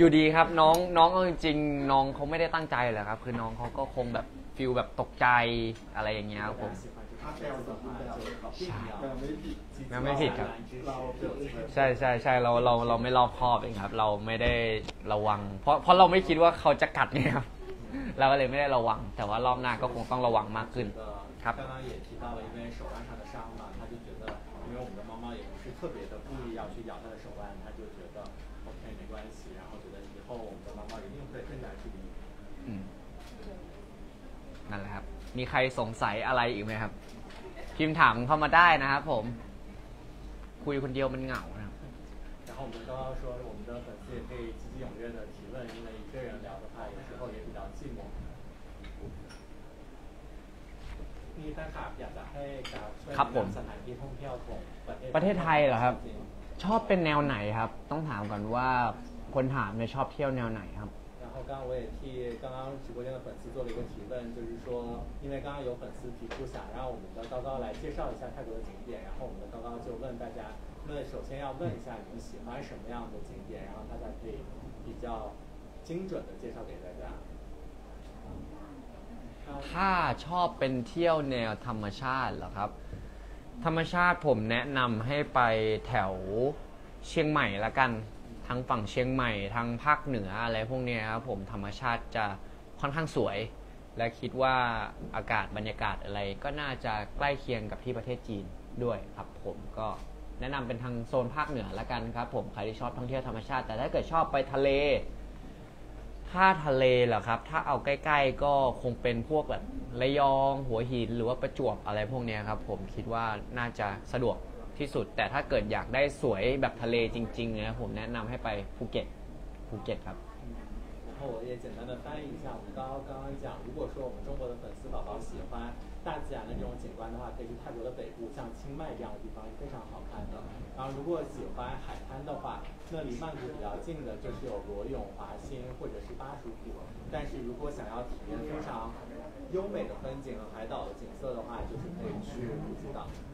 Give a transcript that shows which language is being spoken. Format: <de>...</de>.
<th>ยู่ดีครับน้องจริงๆน้องเขาไม่ได้ตั้งใจเหรอครับคือน้องเขาก็คงแบบฟิลแบบตกใจอะไรอย่างเงี้ยครับผม ถ้าแปลว่าแปลว่าผิดแปลไม่ผิด นะไม่ผิดครับใช่ใช่ใช่เราไม่รอบคอบเองครับเราไม่ได้ระวังเพราะเราไม่คิดว่าเขาจะกัดเนี่ยครับเราก็เลยไม่ได้ระวังแต่ว่ารอบหน้าก็คงต้องระวังมากขึ้นครับ</th> <zh>刚刚也提到了因为手腕上的伤嘛他就觉得因为我们的猫猫也不是特别的故意要去咬他的手腕他就觉得 OK 没关系然后觉得以后我们的猫猫一定会更加注意</zh> <th>นั่นแหละครับมีใครสงสัยอะไรอีกไหมครับพิมพ์ถามเข้ามาได้นะครับผมคุยคนเดียวมันเหงาครับ แล้ว</th> <zh>我们刚刚说我们的粉丝也可以积极踊跃的提问因为一个人聊的话有时候也比较寂寞</zh> <th>มีท่านครับอยากจะให้การช่วยสถานที่ท่องเที่ยวของประเทศ ไทยเหรอครับชอบเป็นแนวไหนครับต้องถามก่อนว่าคนถามเนี่ยชอบเที่ยวแนวไหนครับ</th> <zh>然后刚刚我也替刚刚直播间的粉丝做了一个提问就是说因为刚刚有粉丝提出想让我们的高高来介绍一下泰国的景点然后我们的高高就问大家问首先要问一下你们喜欢什么样的景点然后大家可以比较精准的介绍给大家</zh> <th>ถ้าชอบเป็นเที่ยวแนวธรรมชาติเหรอครับธรรมชาติผมแนะนำให้ไปแถวเชียงใหม่ละกันทางฝั่งเชียงใหม่ทางภาคเหนืออะไรพวกนี้ครับผมธรรมชาติจะค่อนข้างสวยและคิดว่าอากาศบรรยากาศอะไรก็น่าจะใกล้เคียงกับที่ประเทศจีนด้วยครับผมก็แนะนำเป็นทางโซนภาคเหนือละกันครับผมใครที่ชอบท่องเที่ยวธรรมชาติแต่ถ้าเกิดชอบไปทะเล ถ้าทะเลเหรอครับถ้าเอาใกล้ๆก็คงเป็นพวกแบบระยองหัวหินหรือว่าประจวบอะไรพวกนี้ครับผมคิดว่าน่าจะสะดวกที่สุดแต่ถ้าเกิดอยากได้สวยแบบทะเลจริงๆนะผมแนะนำให้ไปภูเก็ตภูเก็ตครับ แล้วผมก็จะ</th> <zh>简单的翻译一下我们刚刚讲如果说我们中国的粉丝宝宝喜欢大自然的这种景观的话可以去泰国的北部像清迈这样的地方非常好看的然后如果喜欢海滩的话那离曼谷比较近的就是有罗永华兴或者是巴蜀浦但是如果想要体验非常优美的风景和海岛的景色的话就是可以去普吉岛</zh>